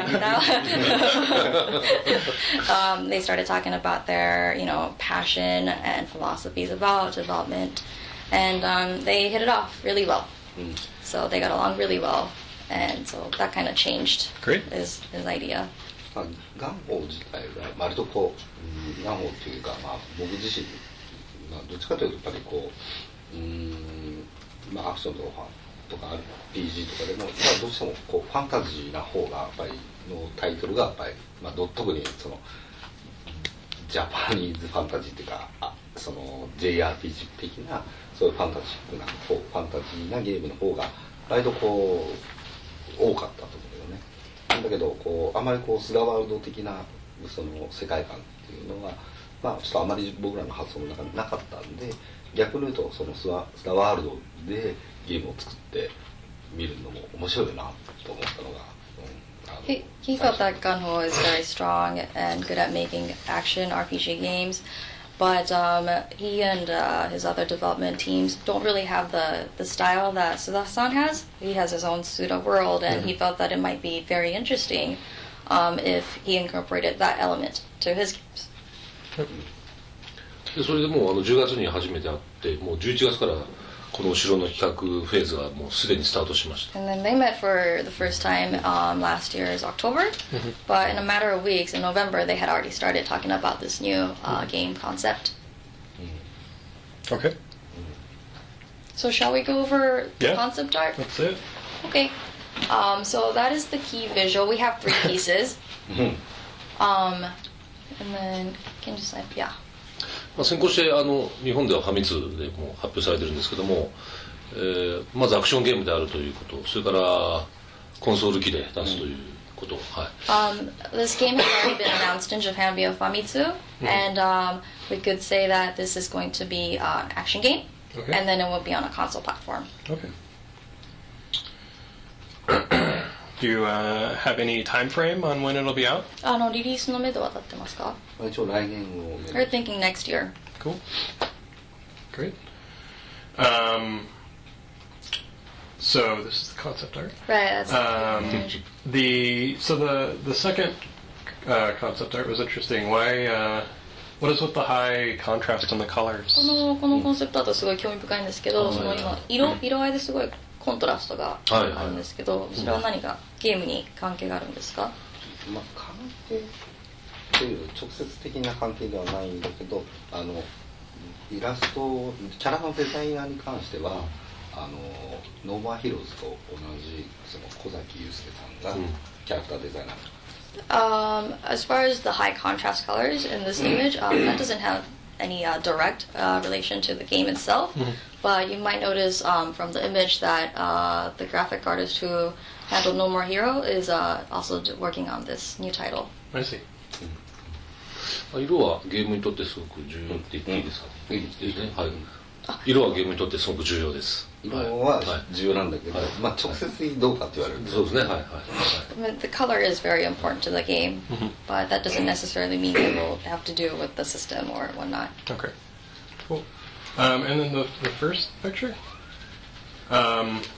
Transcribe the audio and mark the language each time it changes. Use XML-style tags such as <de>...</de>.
<en>Now, they started talking about their, you know, passion and philosophies about development, and they hit it off really well. So they got along really well. And so that kind of changed his idea.</en> <ja>ガンホー自体は割とこう、ガンホーっていうか、まあ、僕自身、まあ、どっちかというとやっぱりこう、まあ、アクションとかとか RPG とかでも、まあ、どうしてもこうファンタジーな方がやっぱりのタイトルがやっぱり、まあ、特にそのジャパニーズファンタジーっていうか、その JRPG 的なそういうファンタジックな方、ファンタジーなゲームの方が割とこう多かったと思うよね。なんだけどこうあまりこうスラワールド的なその世界観っていうのは、まあ、ちょっとあまり僕らの発想の中になかったんで、逆に言うとそのスラワールドでゲームを作ってみるのも面白いなと思ったのが、</ja> <en>He thought that Gunho is very strong and good at making action RPG games, but he and his other development teams don't really have the style that Suda-san has. He has his own Suda world, and he felt that it might be very interesting if he incorporated that element to his games.</en> <ja>で、それでもうあの10月に初めて会って、もう11月からこの城の企画フェーズがもうすでにスタートしました。</ja> <en>And then they met for the first time last year's October. But in a matter of weeks, in November, they had already started talking about this new game concept. Okay. So shall we go over the concept art? That's it. Okay. So that is the key visual. We have three pieces. And then, can you slide? Yeah.</en> <ja>まあ、先行してあの日本ではファミ通でも発表されてるんですけども、まずアクションゲームであるということ、それからコンソール機で出すということ、はい。</ja> <en>This game has already been announced in Japan via Famitsu, and we could say that this is going to be an action game, and then it will be on a console platform. Okay. Do you have any time frame on when it'll be out?</en> <ja>あのリリースの目処は立ってますか？</ja> <en>We're thinking next year. Cool. Great. So this is the concept art. Right. That's the second concept art was interesting. Why? What is with the high contrast on the colors?</en> <ja>このコンセプトだとすごい興味深いんですけど、その今色合いですごいコントラストがあるんですけど、それは何かゲームに関係があるんですか？まあ関係。という直接的な関係ではないんだけど、あのイラストキャラのデザイナーに関してはあのノーマーヒローズと同じその小崎雄介さんがキャラクターデザイナー。</ja> <en>As far as the high contrast colors in this image, that doesn't have any direct relation to the game itself. But you might notice from the image that the graphic artist who handled No More Hero is also working on this new title. I see.</en> <ja>色はゲームにとってすごく重要って言っていいですか？いいですね。はい。色はゲームにとってすごく重要です。</ja> <en>But the color is very important to the game, but that doesn't necessarily mean it will have to do with the system or whatnot. Okay, cool. And then the first picture. That one?</en>